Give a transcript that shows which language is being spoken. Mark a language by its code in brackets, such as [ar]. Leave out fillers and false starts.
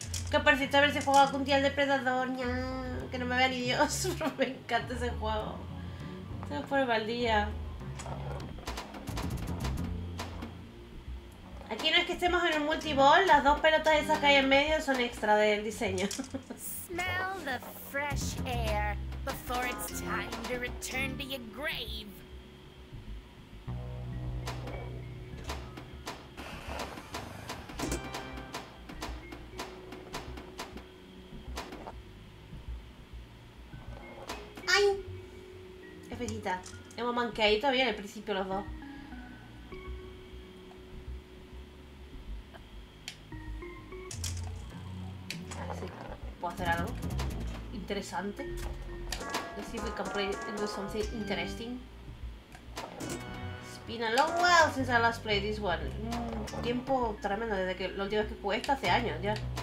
[es] Que por cierto, a ver si juego algún día el depredador, ña, que no me vea ni Dios, pero me encanta ese juego. Se me pone mal día. Aquí no es que estemos en un multiball, las dos pelotas esas que hay en medio son extra del diseño. [en] Smell the fresh air before it's time to return to your grave. [es] Espejita, hemos manqueado todavía en el principio los dos. A ver si puedo hacer algo interesante. [en] Let's see if we can play and do something interesting. It's been a long while since I last played this one. [es] Un tiempo tremendo desde que la última vez que jugué esto hace años ya.